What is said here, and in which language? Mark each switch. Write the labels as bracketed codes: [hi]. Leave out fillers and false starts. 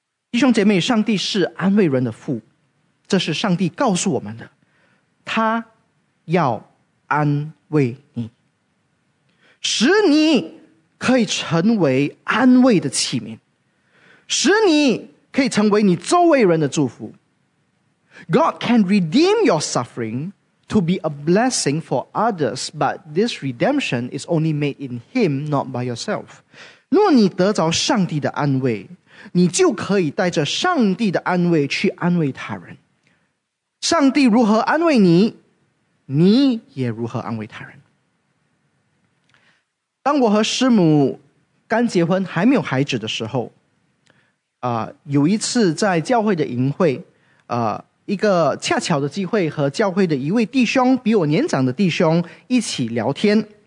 [zh] 弟兄姐妹，上帝是安慰人的父，这是上帝告诉我们的，他要安慰你，使你可以成为安慰的器皿，使你可以成为你周围人的祝福。 [en] God can redeem your suffering to be a blessing for others, but this redemption is only made in him, not by yourself. [zh] 若你得着上帝的安慰，你就可以带着上帝的安慰去安慰他人，上帝如何安慰你，你也如何安慰他人。当我和师母刚结婚还没有孩子的时候，有一次在教会的营会，一个恰巧的机会和教会的一位弟兄，比我年长的弟兄一起聊天。